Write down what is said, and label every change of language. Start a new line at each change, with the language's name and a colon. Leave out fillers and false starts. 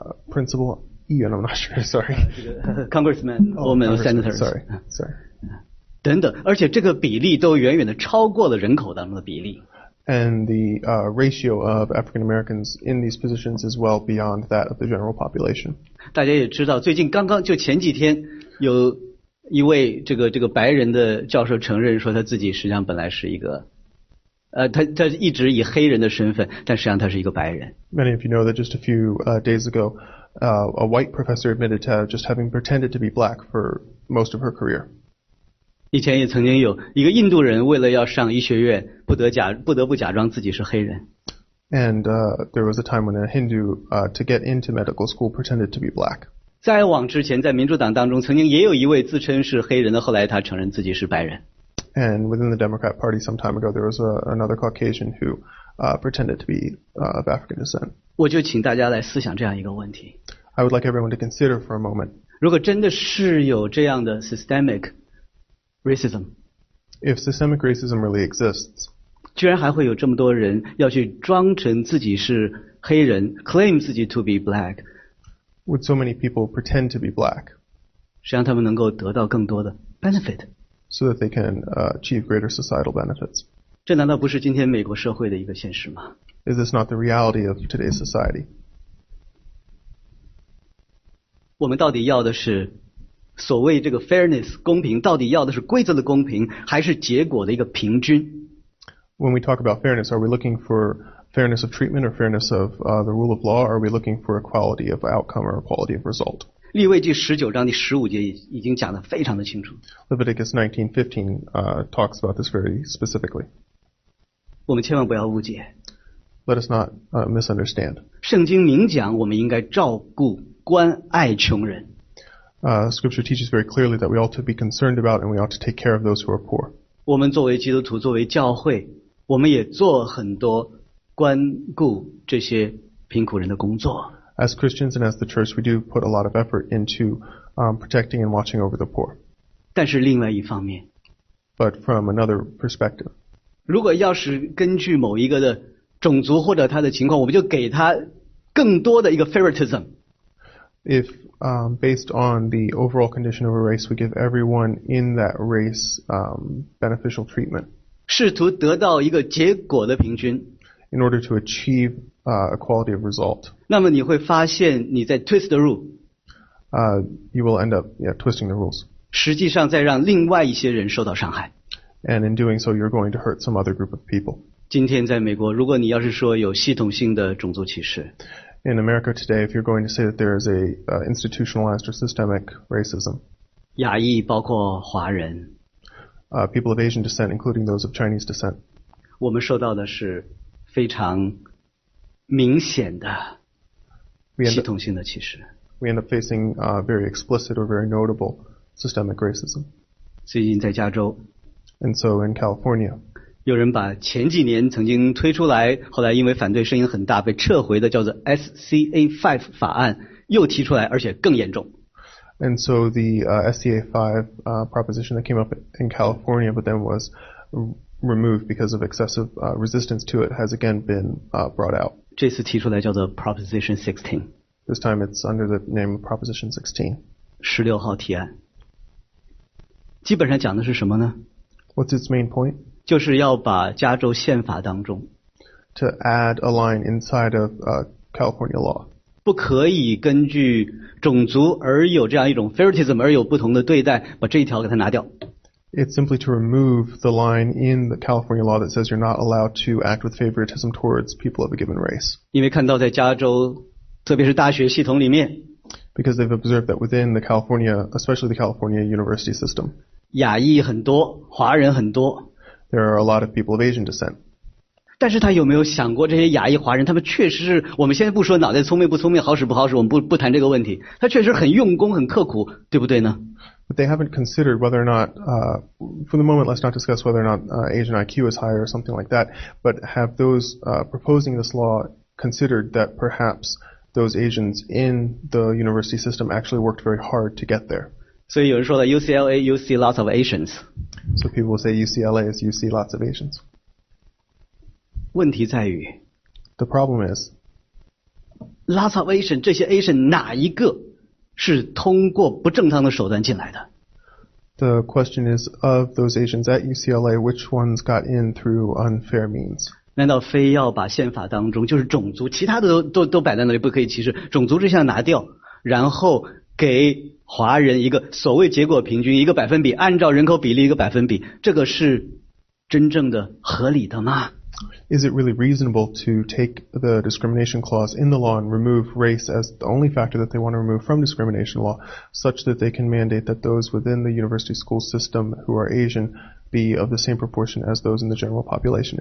English: Principal,
Chinese: 议员
English: I'm not sure, sorry. Congressman, woman, senator. Sorry.
Chinese: 等等，而且这个比例都远远的超过了人口当中的比例。
English: And the ratio of African Americans in these positions is well beyond that of the general population.
Chinese: 大家也知道，最近刚刚就前几天，有一位这个白人的教授承认说他自己实际上本来是一个。他一直以黑人的身份，但实际上他是一个白人。
English: Many of you know that just a few days ago, a white professor admitted to just having pretended to be black for most of her career.
Chinese: 以前也曾经有一个印度人为了要上医学院，不得不假装自己是黑人。
English: And there was a time when a Hindu to get into medical school pretended to be black.
Chinese: 再往之前，在民主党当中，曾经也有一位自称是黑人的，后来他承认自己是白人。
English: And within the Democrat Party some time ago, there was another Caucasian who pretended to be of African descent.
Chinese: 我就请大家来思想这样一个问题。
English: I would like everyone to consider for a moment.
Chinese: 如果真的是有这样的
English: systemic racism, if systemic racism really exists,
Chinese: 居然还会有这么多人要去装成自己是黑人
English: claim
Chinese: 自己
English: to be black, would so many people pretend to be black?
Chinese: 实际上他们能够得到更多的 benefit.
English: So that they can achieve greater societal benefits.
Chinese: 这难道不是今天美国社会的一个现实吗？
English: Is this not the reality of today's society?
Chinese: 我们到底要的是所谓这个 fairness 公平，到底要的是规则的公平，还是结果的一个平均？
English: When we talk about fairness, are we looking for fairness of treatment or fairness of the rule of law? Or are we looking for equality of outcome or equality of result?
Chinese: 利未记十九章第十五节已经讲得非常的清楚。
English: Leviticus 19:15 talks about this very specifically.
Chinese: 我们千万不要误解。
English: Let us not misunderstand.
Chinese: 圣经明讲我们应该照顾关爱穷人。
English: Scripture teaches very clearly that we ought to be concerned about and we ought to take care of those who are poor.
Chinese: 我们作为基督徒，作为教会，我们也做很多关顾这些贫苦人的工作。
English: As Christians and as the church, we do put a lot of effort into protecting and watching over the poor.
Chinese: 但是另外一方面。
English: But from another perspective.
Chinese: 如果要是根据某一个的种族或者他的情况，我们就给他更多的一个 favoritism.
English: If based on the overall condition of a race, we give everyone in that race beneficial treatment.
Chinese: 试图得到一个结果的平均。
English: In order to achieve equality of result.
Chinese: 那么你会发现你在
English: twist the rule. You will end up twisting the rules.
Chinese: 实际上在让另外一些人受到伤害。
English: And in doing so, you're going to hurt some other group of people.
Chinese: 今天在美国，如果你要是说有系统性的种族歧视。
English: In America today, if you're going to say that there is a institutionalized or systemic racism.
Chinese: 亚裔包括华人。
English: People of Asian descent, including those of Chinese descent.
Chinese: 我们受到的是非常明显的系统性的歧视。
English: We end up facing very explicit or very notable systemic racism.
Chinese: 最近在加州。
English: And so in California.
Chinese: 有人把前几年曾经推出来，后来因为反对声音很大被撤回的叫做 SCA5 法案又提出来，而且更严重。
English: And so the SCA5 proposition that came up in California but then was removed because of excessive resistance to it has again been brought out.
Chinese: 这次提出来叫做 Proposition 16.
English: This time it's under the name of Proposition 16.
Chinese: 16号提案。基本上讲的是什么呢？
English: What's its main point?
Chinese: 就是要把加州宪法当中
English: To add a line inside of California law.
Chinese: 不可以根据种族而有这样一种 favoritism 而有不同的对待，把这一条给它拿掉。
English: It's simply to remove the line in the California law that says you're not allowed to act with favoritism towards people of a given race.
Chinese: 因为看到在加州，特别是大学系统里面
English: ，because they've observed that within the California, especially the California university system,
Chinese: 亚裔很多，华人很多
English: ，there are a lot of people of Asian descent.
Chinese: 但是他有没有想过这些亚裔华人他们确实是我们现在不说脑袋聪明不聪明好使不好使我们不谈这个问题他确实很用功很刻苦对不对呢
English: But they haven't considered whether or not for the moment let's not discuss whether or not Asian IQ is higher or something like that but have those proposing this law considered that perhaps those Asians in the university system actually worked very hard to get there
Chinese: 所以有人说了
English: UCLA you see lots of Asians So people will say UCLA is you see lots of Asians
Chinese: 问题在于
English: The problem is Lots of Asian
Chinese: 这些
English: Asian
Chinese: 哪一个是通过不正当的手段进来的
English: The question is of those Asians at UCLA which ones got in through unfair means
Chinese: 难道非要把宪法当中就是种族其他的都摆在那里不可以歧视种族这项拿掉然后给华人一个所谓结果平均一个百分比按照人口比例一个百分比这个是真正的合理的吗
English: Is it really reasonable to take the discrimination clause in the law and remove race as the only factor that they want to remove from discrimination law, such that they can mandate that those within the university school system who are Asian be of the same proportion as those in the general population?